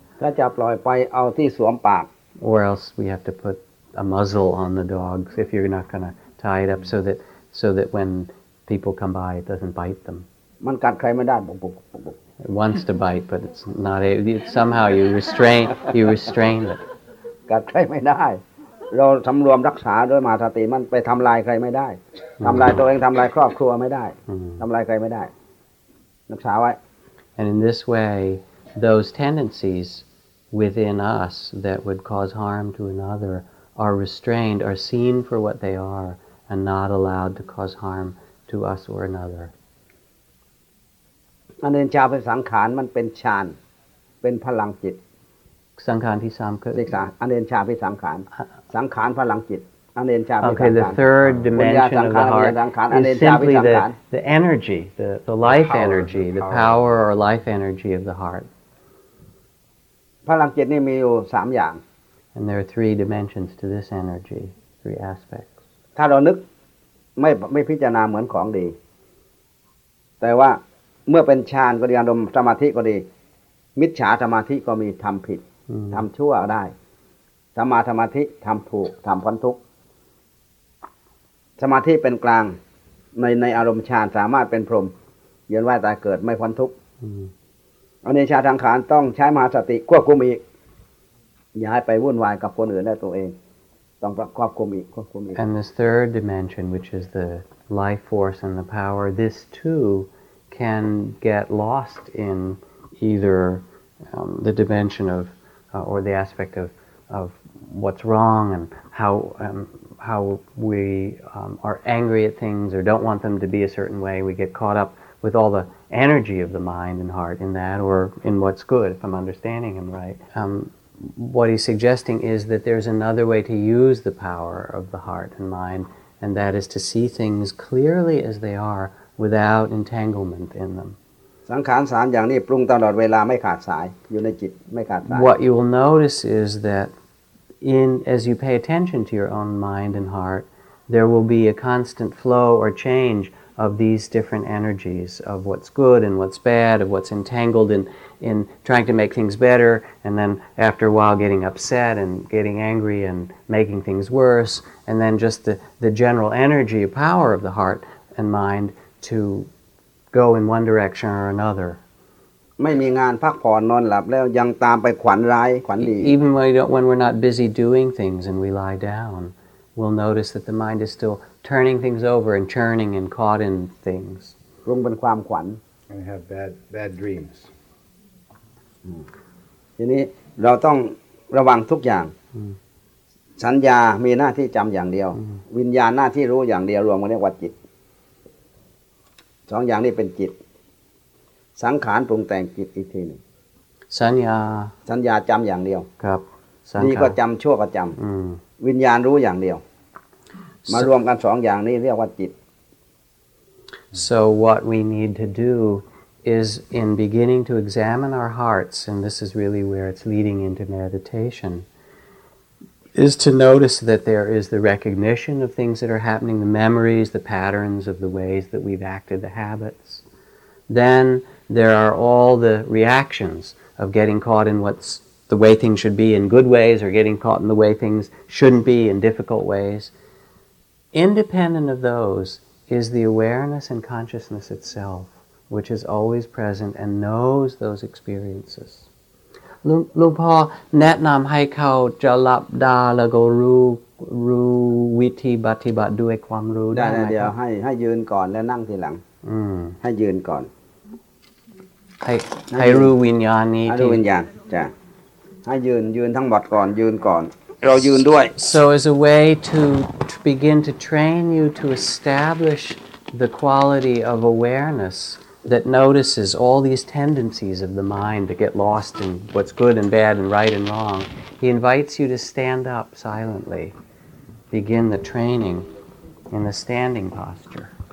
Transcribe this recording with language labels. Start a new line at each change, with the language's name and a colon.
Thai: ถ้าจะปล่อยไปเอาที่สวมปาก
English: or else we have to put a muzzle on the dog if you're not going to tie it up so that when people come by it doesn't bite them
Thai: มันกัดใครไม่ได้ปุ๊บปุ๊บ
English: It wants to bite, but it's not able. Somehow you restrain it.
Thai: กัดใครไม่ได้เราสำรวมรักษาด้วยมาสติมันไปทำลายใครไม่ได้ทำลายตัวเองทำลายครอบครัวไม่ได้ทำลายใครไม่ได้รักษาไว้
English: And in this way, those tendencies within us that would cause harm to another are restrained, are seen for what they are, and not allowed to cause harm to us or another.
Thai: อันเดินชาเป็นสังขารมันเป็นฌานเป็นพลังจิต สังขารที่สามคือ ศึกษาอันเดินชาเป็นสังขารสังขารพลังจิตอันเดินชาเป็นสังข
English: าร Okay the third dimension of the heart is simply the energy the life energy the power or life energy of the heart
Thai: พลังจิตนี่มีอยู่สามอย่าง
English: And there are three dimensions to this energy three aspects
Thai: ถ้าเรานึกไม่พิจารณาเหมือนของดีแต่ว่าเมื่อเป็นฌานก็ดีอารมณ์สมาธิก็ดีมิจฉาสมาธิก็มีทำผิดทำชั่วได้สมาธิทำถูกทำพ้นทุกข์สมาธิเป็นกลางในอารมณ์ฌานสามารถเป็นพรหมเยือนว่ายตายเกิดไม่พ้นทุกข์ อันนี้ฌานสังขารต้องใช้มหาสติควบคุมอีกอย่าให้ไปวุ่นวายกับคนอื่นและตัวเองต้องควบคุมอีกควบคุมอีก
English: And the third dimension which is the life force and the power this tooCan get lost in either the dimension of or the aspect of what's wrong and how we are angry at things or don't want them to be a certain way. We get caught up with all the energy of the mind and heart in that or in what's good, if I'm understanding him right. What he's suggesting is that there's another way to use the power of the heart and mind, and that is to see things clearly as they are. Without entanglement in them.
Thai: สังขารสามอย่างนี้ปรุงตลอดเวลาไม่ขาดสายอยู่ในจิตไม่ขาดสาย
English: What you will notice is that as you pay attention to your own mind and heart, there will be a constant flow or change of these different energies of what's good and what's bad, of what's entangled in trying to make things better, and then after a while getting upset and getting angry and making things worse, and then just the general energy, power of the heart and mind. To go in one direction or another.
Thai: ไม่มีงานพักผ่อนนอนหลับแล้วยังตามไปขวัญร้ายขวัญดี
English: Even when we're not busy doing things and we lie down, we'll notice that the mind is still turning things over and churning and caught in things.
Thai: รุงเป็นความขวัญ
English: And we have bad dreams.
Thai: ทีนี้เราต้องระวังทุกอย่างสัญญามีหน้าที่จำอย่างเดียววิญญาณหน้าที่รู้อย่างเดียวรวมกันเรียกว่าจิตสองอย่างนี้เป็นจิตสังขารปรุงแต่งจิตอีกทีหนึ่ง สัญญา จำอย่างเดียว ครับ นี่ก็จำชั่วก็จำวิญญาณรู้อย่างเดียวมารวมกันสองอย่างนี้เรียกว่าจิต
English: So what we need to do is in beginning to examine our hearts, and this is really where it's leading into meditation, is to notice that there is the recognition of things that are happening, the memories, the patterns of the ways that we've acted, the habits. Then there are all the reactions of getting caught in what's the way things should be in good ways or getting caught in the way things shouldn't be in difficult ways. Independent of those is the awareness and consciousness itself, which is always present and knows those experiences.
Thai: หลวงพ่อแนะนำให้เขาจะหลับตาแล้วก็รู้วิธีปฏิบัติด้วยความรู้ได้ไหม เดี๋ยวให้ยืนก่อนแล้วนั่งทีหลังให้ยืนก่อน ให้รู้วิญญาณนี้ ให้รู้วิญญาณจ้ะให้ยืนทั้งหมดก่อนยืนก่อนเรายืนด้วย
English: so as a way to begin to train you to establish the quality of awarenessThat notices all these tendencies of the mind to get lost in what's good and bad and right and wrong. He invites you to stand up silently, begin the training in the standing posture.